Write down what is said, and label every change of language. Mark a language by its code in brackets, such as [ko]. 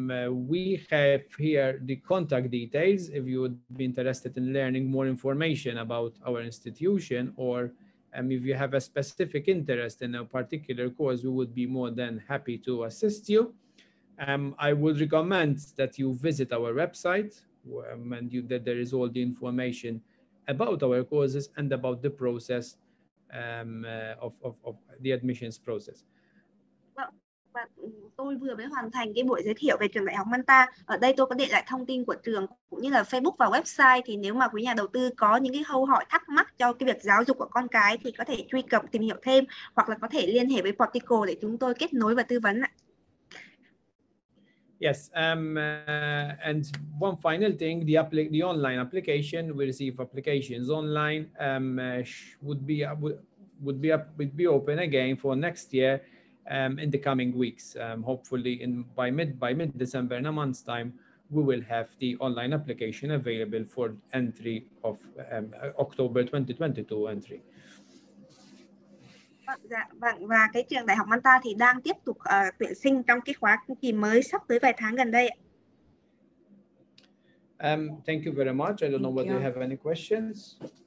[en] We have here the contact details if you would be interested in learning more information about our institution, or if you have a specific interest in a particular course, we would be more than happy to assist you. I would recommend that you visit our website and that there is all the information about our courses and about the process of the admissions process. [vi] Tôi vừa mới hoàn thành cái buổi giới thiệu về trường Đại học Malta. Ở đây tôi có để lại thông tin của trường cũng như là Facebook và website. Thì nếu mà quý nhà đầu tư có những cái câu hỏi thắc mắc cho cái việc giáo dục của con cái thì có thể truy cập tìm hiểu thêm hoặc là có thể liên hệ với Portico để chúng tôi kết nối và tư vấn ạ. [en] Yes, and one final thing, the online application, we receive applications online, would be open again for next year in the coming weeks. Hopefully by mid December, in a month's time, we will have the online application available for entry of October 2022 entry. [vi] Và cái trường Đại học Malta thì đang tiếp tục tuyển sinh trong cái khóa kỳ mới sắp tới vài tháng gần đây. [en] Thank you very much. I don't know whether you have any questions.